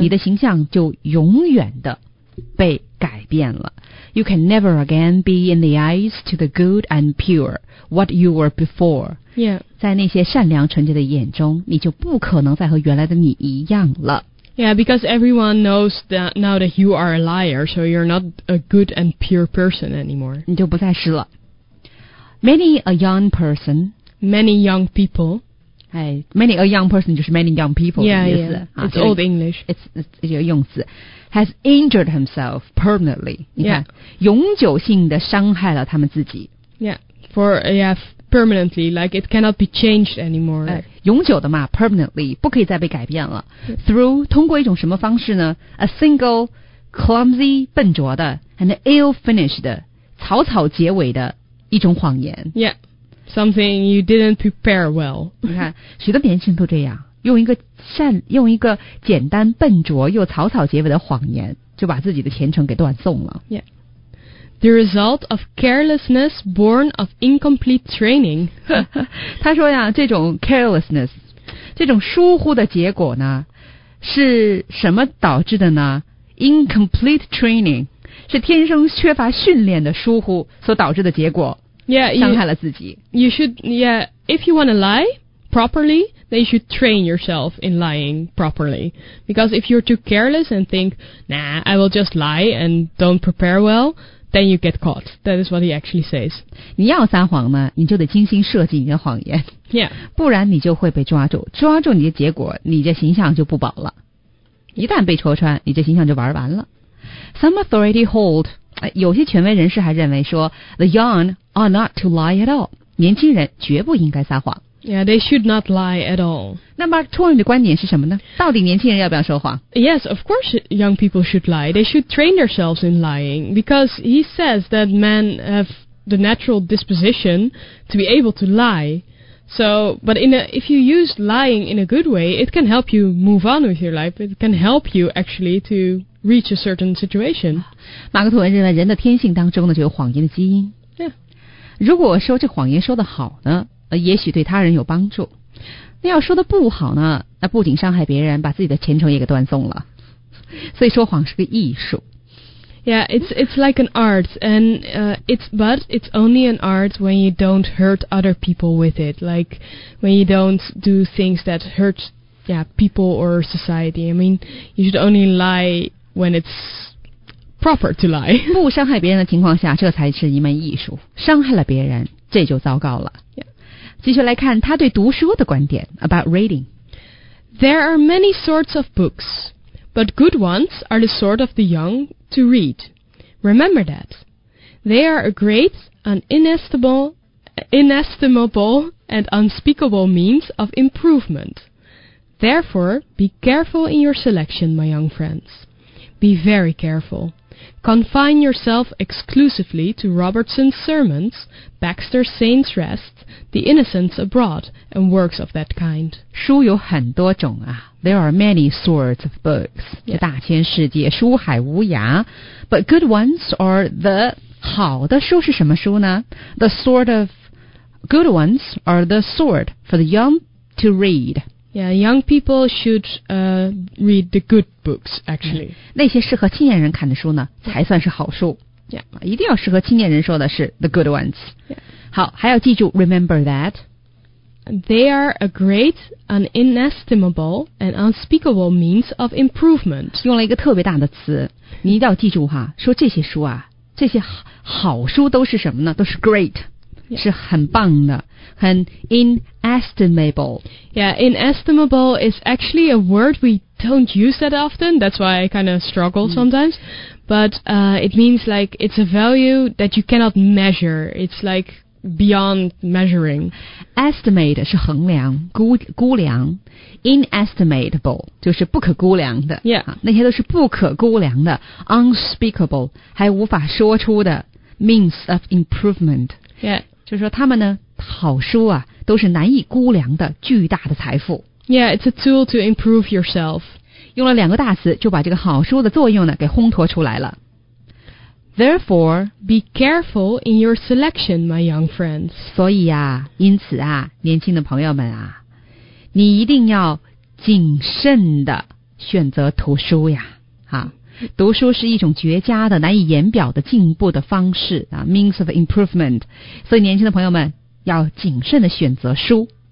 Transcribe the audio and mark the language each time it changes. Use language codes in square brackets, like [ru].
[zh] 你的形象就永远的被改变了。 [en] You can never again be in the eyes to the good and pure what you were before. Yeah. [zh] 在那些善良纯洁的眼中，你就不可能再和原来的你一样了。 [en] Yeah, because everyone knows that now that you are a liar, so you're not a good and pure person anymore. [zh] 你就不再是了。 [en] Many a young person, many young people. 哎 ，many a young person [zh] 就是 [en] many young people [zh] 的意思。 [en] Yeah, yeah. It's old English. It's [zh] 一个用词。 [en] Has injured himself permanently. [zh] 你看， [en] yeah. [zh] 永久性的伤害了他们自己。 [en] Yeah, for yeah, permanently, like it cannot be changed anymore. [zh] 哎永久的嘛 ，permanently 不可以再被改变了。 [en] Through [zh] 通过一种什么方式呢 ？ [en] A single, clumsy [zh] 笨拙的 ， [en] and ill finished [zh] 草草结尾的一种谎言。 [en] Yeah, something you didn't prepare well. [zh] 你看，许多年轻人都这样，用一个简单、笨拙又草草结尾的谎言，就把自己的前程给断送了。 [en] Yeah. The result of carelessness born of incomplete training. [zh] 他说呀，这种 carelessness, 这种疏忽的结果呢，是什么导致的呢？ [en] Incomplete training, [zh] 是天生缺乏训练的疏忽所导致的结果。 [en] Yeah, [zh] 伤害了自己。 [en] You should, yeah, if you want to lie properly, then you should train yourself in lying properly. Because if you're too careless and think, nah, I will just lie and don't prepare well,Then you get caught. That is what he actually says. [zh] 你要撒谎呢，你就得精心设计你的谎言。 [en] Yeah. [zh] 不然你就会被抓住，抓住你的结果，你的形象就不保了。一旦被戳穿，你的形象就玩完了。 [en] Some authority hold, [zh] 有些权威人士还认为说 [en] ,the young are not to lie at all. [zh] 年轻人绝不应该撒谎。 [en] Yeah, they should not lie at all. [zh] 那 Mark Twain 的观点是什么呢？到底年轻人要不要说谎？ [en] Yes, of course young people should lie. They should train themselves in lying. Because he says that men have the natural disposition to be able to lie. So, but if you use lying in a good way, it can help you move on with your life. It can help you actually to reach a certain situation. [zh] 马克吐温认为人的天性当中呢就有谎言的基因。 [en] Yeah. [zh] 如果说这谎言说得好呢也许对他人有帮助，那要说的不好呢，那不仅伤害别人，把自己的前程也给断送了。所以说谎是个艺术。 [en] Yeah, it's like an art, and it's only an art when you don't hurt other people with it, like when you don't do things that hurt, yeah, people or society. I mean, you should only lie when it's proper to lie. [zh] 不伤害别人的情况下，这才是一门艺术。伤害了别人，这就糟糕了。 [en] Yeah. [zh] 继续来看他对读书的观点 [en] about reading. There are many sorts of books, but good ones are the sort of the young to read. Remember that. They are a great, an inestimable and unspeakable means of improvement. Therefore, be careful in your selection, my young friends. Be very careful. Confine yourself exclusively to Robertson's sermons, Baxter's Saints' Rest, The Innocents Abroad, and works of that kind. [zh] 书有很多种啊 [en] There are many sorts of books. [zh] 这大千世界书海无涯 [en] But good ones are the [zh] 好的书是什么书呢 [en] The sort of good ones are the sort for the young to read. Yeah, young people should read the good books, actually. [zh] 那些适合青年人看的书呢，才算是好书。 [en] Yeah. [zh] 一定要适合青年人说的是 [en] the good ones. Yeah. [zh] 好，还要记住 [en] remember that. They are a great, an inestimable, and unspeakable means of improvement. [zh] 用了一个特别大的词，你一定要记住哈，说这些书啊，这些好书都是什么呢？都是 great. [en] Yeah. [zh] 是很棒的，很 inestimable. [en] Yeah, inestimable is actually a word we don't use that often. That's why I kind of struggle sometimes. But it means like it's a value that you cannot measure. It's like beyond measuring. [zh] Estimate 是衡量，估量。Inestimable 就是不可估量的。 [en] Yeah. [zh] 那些都是不可估量的 ，unspeakable 还无法说出的 [en] means of improvement. Yeah. [zh] 就是说他们呢好书啊都是难以估量的巨大的财富。 [en] Yeah, it's a tool to improve yourself. [zh] 用了两个大词就把这个好书的作用呢给烘托出来了。 [en] Therefore, be careful in your selection, my young friends. [zh] 所以啊，因此啊，年轻的朋友们啊，你一定要谨慎的选择图书呀。啊，读书是一种绝佳的、难以言表的进步的方式啊 ， [en] means of improvement。 [zh] 所以，年轻的朋友们要谨慎的选择书。